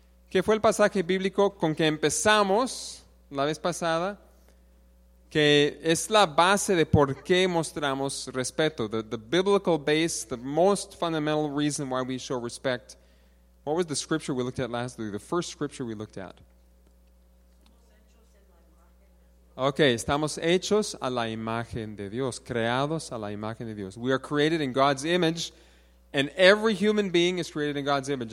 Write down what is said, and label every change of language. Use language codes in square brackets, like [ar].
[es] ¿Qué fue el pasaje bíblico con que empezamos la vez pasada? Que es la base de por qué mostramos respeto. [en] The biblical base, the most fundamental reason why we show respect. What was the scripture we looked at last week? The first scripture we looked at. [es] Okay, estamos hechos a la imagen de Dios. Creados a la imagen de Dios. [en] We are created in God's image. And every human being is created in God's image.